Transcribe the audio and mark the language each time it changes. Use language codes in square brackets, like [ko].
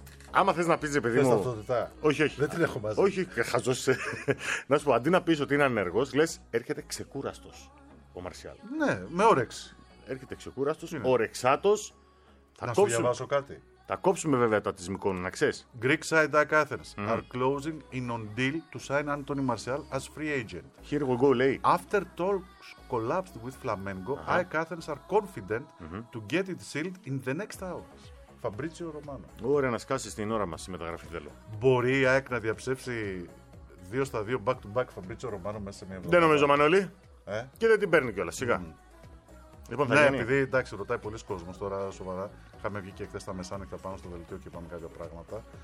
[el] Άμα θες να πεις, ρε παιδί μου... Θες ταυτότητα. Όχι, όχι. Δεν την έχω μαζί. Όχι, χαζός. Να σου πω, αντί να πεις ότι είναι ανέργος, λες, έρχεται ξεκούραστος ο Μαρσιάλ. Ναι, με όρεξη. Έρχεται ξεκούραστος, ναι. Ορεξάτος. Θα να σου κόψουμε... διαβάσω κάτι. Θα κόψουμε βέβαια το ατισμικό, να ξέρεις. [en] Greek side at Athens are closing in on deal to sign Anthony Martial as free agent. Here we go, [el] λέει. [en] After talks collapsed with Flamengo, AEK Athens are confident to get it sealed in the next hours. Fabrizio Romano. [el] Ωραία, να σκάσεις την ώρα μας η μεταγραφή, θέλω. Μπορεί η AEK να διαψεύσει 2-2 back-to-back Fabrizio Romano μέσα σε μια εβδομάδα. Δεν νομίζω, Μανώλη. Ε? Και δεν την παίρνει κιόλας, σιγά. Mm. Λοιπόν, ναι, επειδή εντάξει, ρωτάει πολλοί κόσμος τώρα σοβαρά. Είχαμε βγει και χθες τα μεσάνυχτα πάνω στο δελτίο και είπαμε κάποια πράγματα.